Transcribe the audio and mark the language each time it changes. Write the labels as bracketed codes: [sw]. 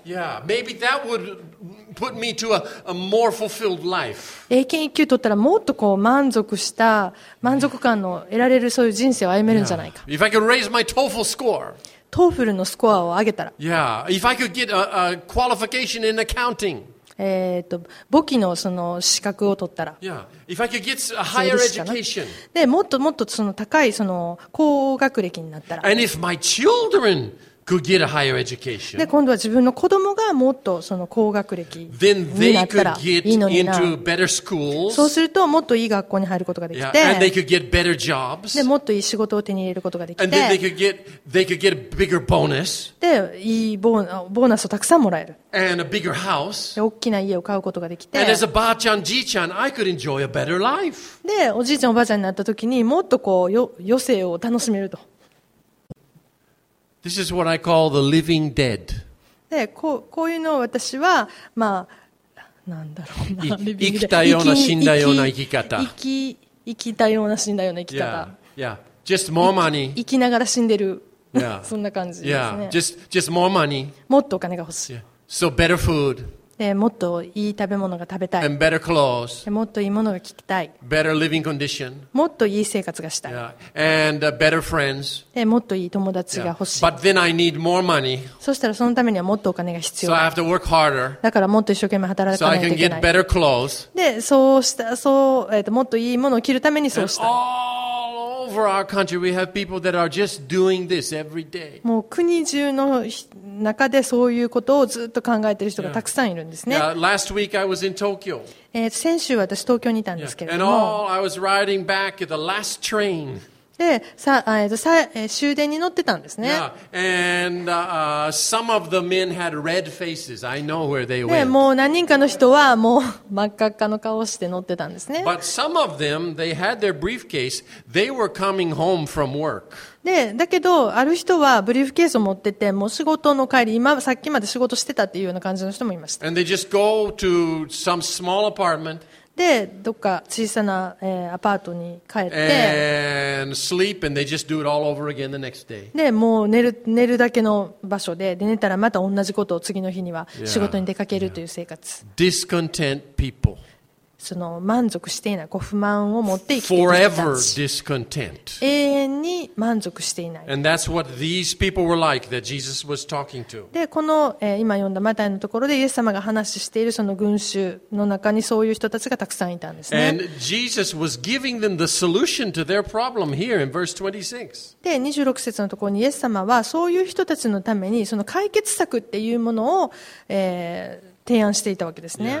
[en] Yeah, maybe that would put me to a more fulfilled life. [ja] 英検一級取ったらもっとこう満足した満足感の得られるそういう人生を歩めるんじゃないか。 [en] Yeah. If I could raise my TOEFL score. [ja] TOEFLのスコアを上げたら。 [en] Yeah, if I could get a qualification in accounting. [ja] 簿記のその資格を取ったら。 [en] Yeah. If I could get a higher education. [ja] で、もっともっとその高いその高学歴になったら。 [en] And if my children could get a higher education. [ja] で、今度は自分の子供がもっとその高学歴になったら。 [en] Then they could get into better schools. [ja] そうするともっといい学校に入ることができて。 [en] Yeah. And they could get better jobs. [ja] で、もっといい仕事を手に入れることができて。 [en] And then they could get a bigger bonus. [ja] で、いいボーナスをたくさんもらえる。 [en] And a bigger house. [ja] 大きな家を買うことができて。 [en] And as a [ja] ばあちゃん、じいちゃん、 [en] I could enjoy a better life. [ja] で、おじいちゃん、おばあちゃんになった時にもっとこう余生を楽しめると。 [en] This is what I call the living dead. [ja] で、こういうのを私は、まあ、なんだろうな、生きたような死んだような生き方。生きたような死んだような生き方。 [en] Yeah. Just more money. [ja] 生きながら死んでる。Yeah. そんな感じですね。 [en] Yeah. Just more money. [ja] もっとお金が欲しい。 [en] Yeah. So better food. [ja] もっといい食べ物が食べたい。 [en] And better clothes. [ja] もっといいものが聞きたい。 [en] Better living condition. [ja] もっといい生活がしたい。 [en] Yeah. And better friends. [ja] もっといい友達が欲しい。 [en] But then I need more money. [ja] そしたらそのためにはもっとお金が必要。 [en] So I have to work harder. [ja] だからもっと一生懸命働かないといけない。 [en] So I can get better clothes. [ja] で、そうした、そう、もっといいものを着るためにそうした。 [en] Over our country, we have people that are just doing this every day. [ja] もう国中の中でそういうことをずっと考えている人がたくさんいるんですね。 [en] Yeah. Last week I was in Tokyo. [ja] 先週私東京にいたんですけれども。 [en] Yeah. And all I was riding back at the last train. [ja] で、終電に乗ってたんですね。 [en] Yeah. And some of the men had red faces. I know where they went. [ja] で、もう何人かの人はもう真っ赤っかの顔をして乗ってたんですね。 [en] But some of them, they had their briefcase. They were coming home from work. [ja] で、だけど、ある人はブリーフケースを持ってて、もう仕事の帰り、今、さっきまで仕事してたっていうような感じの人もいました。 [en] And they just go to some small apartment. [ja] で、どっか小さな、アパートに帰って、 [en] And sleep, and they just do it all over again the next day. [ja] で、もう寝るだけの場所で、で、寝たらまた同じことを次の日には仕事に出かけるという生活。 [en] Yeah. Yeah. Discontent people. [ja] その満足していない、ご不満を持って生きている人たち、永遠に満足していない。 [en] And that's what these people were like that Jesus was talking to. [ja] で、この、今読んだマタイのところでイエス様が話しているその群衆の中にそういう人たちがたくさんいたんですね。 [en] And Jesus was giving them the solution to their problem here in verse 26. [ja] で、26節のところにイエス様はそういう人たちのためにその解決策っていうものを、提案していたわけですね。